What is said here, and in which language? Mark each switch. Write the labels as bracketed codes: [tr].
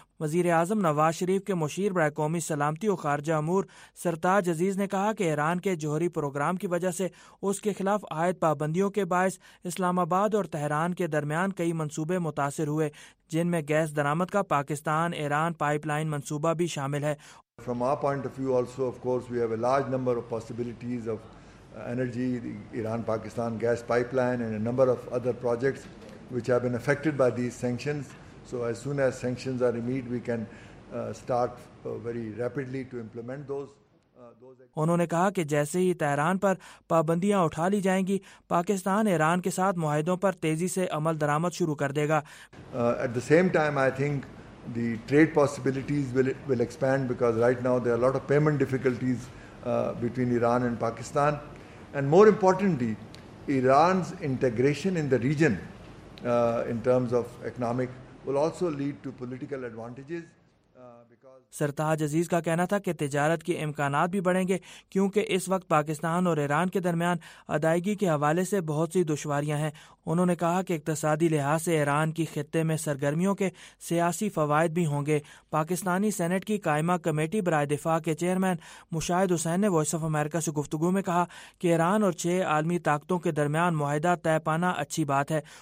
[ur] وزیر اعظم نواز شریف کے مشیر برائے قومی سلامتی و خارجہ امور سرتاج عزیز نے کہا کہ ایران کے جوہری پروگرام کی وجہ سے اس کے خلاف عائد پابندیوں کے باعث اسلام آباد اور تہران کے درمیان کئی منصوبے متاثر ہوئے جن میں گیس درآمد کا پاکستان ایران پائپ لائن منصوبہ بھی شامل ہے. [en] From our point of view also of course we have a large number of possibilities of energy Iran Pakistan gas pipeline and a number of other projects which have been affected by these sanctions. So as soon as sanctions are removed, we can start very rapidly to implement those. [ur] انہوں نے کہا کہ جیسے ہی Tehran پر پابندیاں اٹھا لی جائیں گی پاکستان ایران کے ساتھ معاہدوں پر تیزی سے عمل درآمد شروع کر دے گا. [en] At the same time, I think the trade possibilities will expand because right now there are a lot of payment difficulties between Iran and Pakistan. And more importantly, Iran's integration in the region in terms of economic will also lead to political advantages because [ur] سرتاج عزیز کا کہنا تھا کہ تجارت کے امکانات بھی بڑھیں گے کیونکہ اس وقت پاکستان اور ایران کے درمیان ادائیگی کے حوالے سے بہت سی دشواریاں ہیں. انہوں نے کہا کہ اقتصادی لحاظ سے ایران کی خطے میں سرگرمیوں کے سیاسی فوائد بھی ہوں گے. پاکستانی سینٹ کی قائمہ کمیٹی برائے دفاع کے چیئرمین مشاہد حسین نے وائس آف امریکہ سے گفتگو میں کہا کہ ایران اور 6 عالمی طاقتوں کے درمیان معاہدہ طے پانا اچھی بات ہے.